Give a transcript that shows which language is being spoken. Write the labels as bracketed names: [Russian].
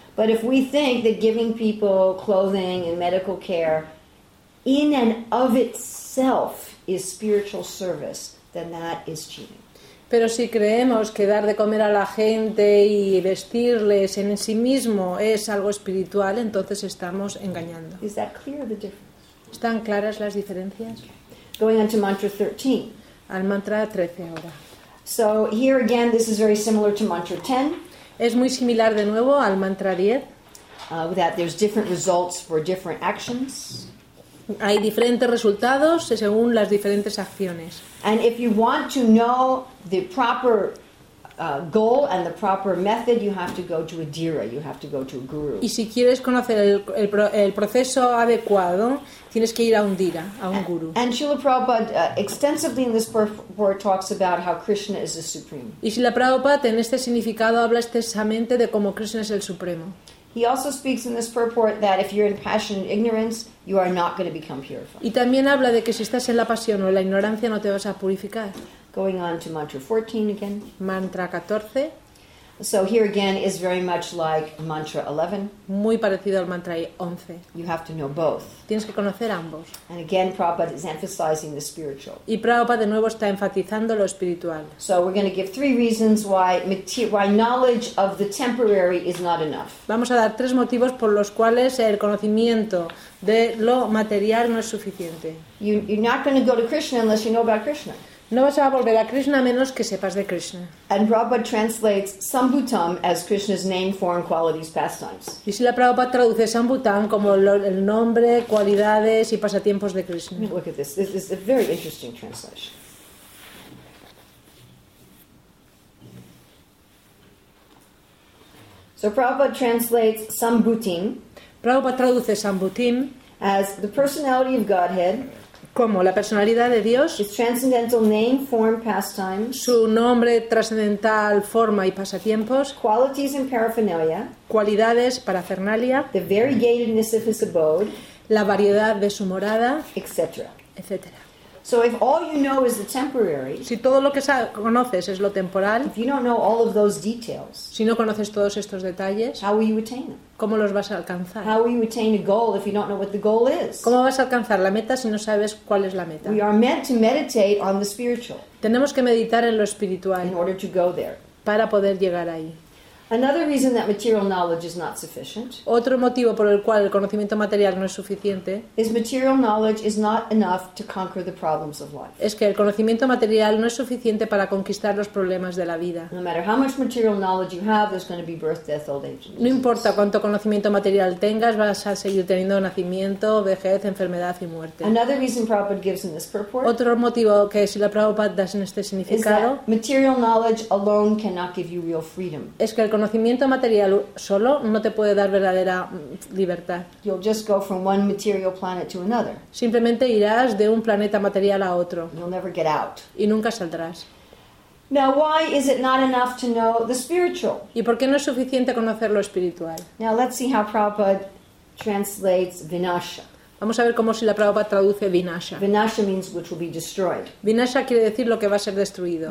[English] But if we think that giving people clothing and medical care in and of itself is spiritual service, then that is cheating. [Spanish] Pero si creemos que dar de comer a la gente y vestirles en sí mismo es algo espiritual, entonces estamos engañando. [English] Is that clear, the difference? [Spanish] ¿Están claras las diferencias? [English] Okay. Going on to mantra 13. [Spanish] Al mantra 13 ahora. [English] So here again, this is very similar to mantra 10. [Spanish] Es muy similar de nuevo al mantra 10. [English] That there's different results for different actions. [Spanish] Hay diferentes resultados según las diferentes acciones. [English] And if you want to know the proper goal and the proper method, you have to go to a dhira, you have to go to a guru. [Spanish] Y si quieres conocer el proceso adecuado, tienes que ir a un dhira, a un guru. [English] And Srila Prabhupada extensively in this purport talks about how Krishna is the supreme. [Spanish] Y Srila Prabhupada en este significado habla extensamente de cómo Krishna es el supremo. [English] He also speaks in this purport that if you're in passion and ignorance, you are not going to become purified. [Spanish] Y también habla de que si estás en la pasión o en la ignorancia no te vas a purificar. [English] Going on to mantra 14 again. [Spanish] Mantra 14. [English] So here again is very much like mantra 11. [Spanish] Muy parecido al mantra 11. [English] You have to know both. [Spanish] Tienes que conocer ambos. [English] And again, Prabhupada is emphasizing the spiritual. [Spanish] Y Prabhupada de nuevo está enfatizando lo espiritual. [English] So we're going to give three reasons why knowledge of the temporary is not enough. [Spanish] Vamos a dar tres motivos por los cuales el conocimiento de lo material no es suficiente. [English] You're not going to go to Krishna unless you know about Krishna. [Spanish] No vas a volver a Krishna a menos que sepas de Krishna. [English] And Prabhupada translates Sambhutam as Krishna's name, form, qualities, pastimes. [Spanish] Y si la Prabhupada traduce Sambhutam como el nombre, cualidades y pasatiempos de Krishna. [English] Look at this. This is a very interesting translation. So Prabhupada translates Sambhutim. [Spanish] Prabhupada traduce Sambhutim [English] as the personality of Godhead. [Spanish] Como la personalidad de Dios, [English] his transcendental name, form, pastimes, [Spanish] su nombre trascendental, forma y pasatiempos, [English] qualities and paraphernalia, [Spanish] cualidades, parafernalia, [English] the variegatedness of his abode, [Spanish] la variedad de su morada, [English] etc. [Spanish] etc. [English] So if all you know is the temporary, [Spanish] si todo lo que conoces es lo temporal, [English] if you don't know all of those details, [Spanish] si no conoces todos estos detalles, [English] how will you attain them? [Spanish] ¿Cómo los vas a alcanzar? [English] How will you attain a goal if you don't know what the goal is? [Spanish] ¿Cómo vas a alcanzar la meta si no sabes cuál es la meta? [English] We are meant to meditate on the spiritual. [Spanish] Tenemos que meditar en lo espiritual [English] in order to go there. [Spanish] Para poder llegar ahí. [English] Another reason that material knowledge is not sufficient. [Spanish] Otro motivo por el cual el conocimiento material no es suficiente. [English] Is material knowledge is not enough to conquer the problems of life. [Spanish] Es que el conocimiento material no es suficiente para conquistar los problemas de la vida. [English] No matter how much material knowledge you have, there's going to be birth, death, old age. [Spanish] No importa cuánto conocimiento material tengas, vas a seguir teniendo nacimiento, vejez, enfermedad y muerte. [English] Another reason Prabhupada gives in this purport. [Spanish] Otro motivo que si la Prabhupada da en este significado. [English] Is that material knowledge alone cannot give you real freedom. [Spanish] Es que el conocimiento material solo no te puede dar verdadera libertad. [English] You'll just go from one material planet to another. [Spanish] Simplemente irás de un planeta material a otro. [English] You'll never get out. [Spanish] Y nunca saldrás. [English] Now, why is it not enough to know the spiritual? [Spanish] ¿Y por qué no es suficiente conocer lo espiritual? [English] Now, let's see how Prabhupada translates Vinasha. [Spanish] Vamos a ver cómo si la Prabhupada traduce Vinasha. [English] Vinasha means which will be destroyed. [Spanish] Vinasha quiere decir lo que va a ser destruido.